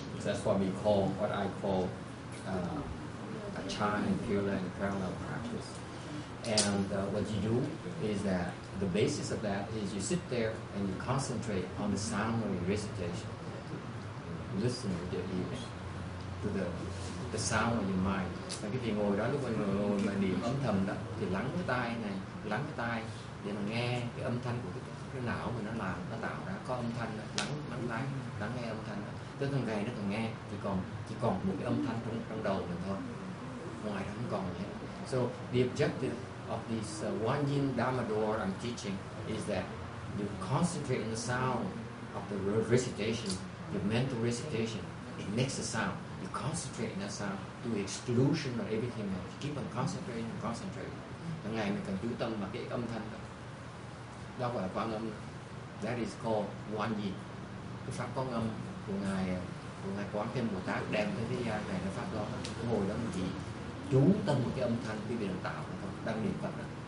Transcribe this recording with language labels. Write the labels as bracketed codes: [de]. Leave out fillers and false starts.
[en] That's what we call, what I call a chan and pure and parallel practice. And what you do is that the basis of that is you sit there and you concentrate on the sound of your recitation. You listen with your ears to the sound of your mind. [vi] Và cái việc ngồi đó lúc ngồi mà niệm âm thầm đó thì lắng cái tai để mà nghe cái âm thanh của cái não mình nó tạo ra có âm thanh đó, lắng nghe âm thanh đó. Tới thằng ngày nó còn nghe, chỉ còn một cái âm thanh trong đầu mình thôi, ngoài đó không còn gì hết. [en] So the objective of this one yin dharma door I'm teaching is that you concentrate on the sound of the recitation, your mental recitation, it makes a sound. You concentrate on that sound to the exclusion of everything else. You keep on concentrating. Mm-hmm. [vi] Ngày mình cần chú tâm vào cái âm thanh đó. Đó gọi là quan âm. [en] That is called one yin. [vi] Cái pháp quan âm của ngài Quán Thế Âm Bồ Tát đem tới thế gian này là pháp đó. Ngồi đó mình chỉ chú tâm vào cái âm thanh quý vị đang tạo. Đang niệm Phật đó.